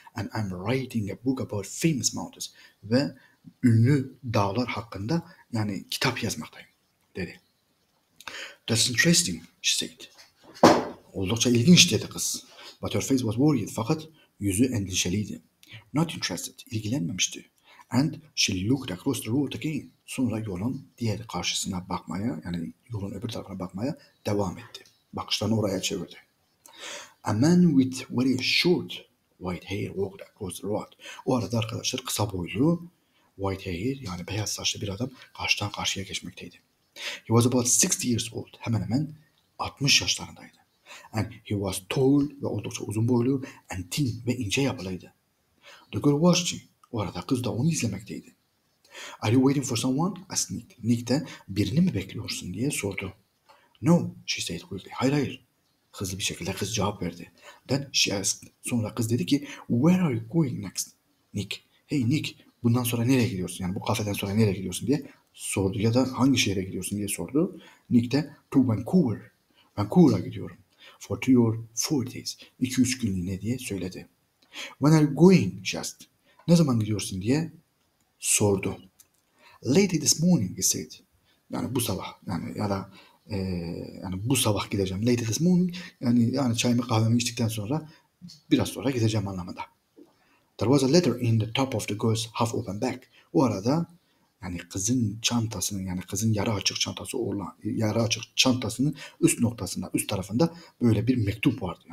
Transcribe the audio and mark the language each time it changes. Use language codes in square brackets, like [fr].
[en] And I'm writing a book about famous mountains. [tr] Ve ünlü dağlar hakkında yani kitap yazmaktayım dedi. [en] That's interesting, she said. [tr] Oldukça ilginç dedi kız. [en] But her face was worried. [tr] Fakat yüzü endişeliydi. [en] Not interested. [tr] İlgilenmemişti. [en] And she looked across the road again. [tr] Sonra yolun diğer karşısına bakmaya, yani yolun öbür tarafına bakmaya devam etti. Bakışlarını oraya çevirdi. [en] A man with very short white hair walked across the road. [tr] O arada arkadaşlar kısa boylu [en] white hair, [tr] yani beyaz saçlı bir adam karşıdan karşıya geçmekteydi. [en] He was about 60 years old. [tr] Hemen hemen 60 yaşlarındaydı. [en] And he was tall [tr] ve oldukça uzun boylu [en] and thin [tr] ve ince yapılıydı. [en] The girl watched him. [tr] O arada kız da onu izlemekteydi. [en] Are you waiting for someone? Asked Nick. [tr] Nick de birini mi bekliyorsun diye sordu. [en] No, she said quickly. [tr] Hayır hayır. Hızlı bir şekilde kız cevap verdi. [en] Then she asked. [tr] Sonra kız dedi ki, [en] where are you going next? [tr] Nick. Hey Nick, bundan sonra nereye gidiyorsun? Yani bu kafeden sonra nereye gidiyorsun diye sordu. Ya da hangi şehre gidiyorsun diye sordu. Nick de [en] to Vancouver. [tr] Vancouver'a gidiyorum. [en] For 2 or 4 days. [tr] 2-3 günlüğüne diye söyledi. [en] When are you going? She asked. [tr] Ne zaman gidiyorsun diye sordu. [en] Late this morning, he said. [tr] Yani bu sabah. Yani ya da yani bu sabah gideceğim. [en] Late this morning. [tr] Yani çayımı kahvemi içtikten sonra biraz sonra gideceğim anlamında. [en] There was a letter in the top of the girl's half open bag. [tr] O arada yani kızın çantasının yani kızın yarı açık çantası olan yarı açık çantasının üst noktasında üst tarafında böyle bir mektup vardı.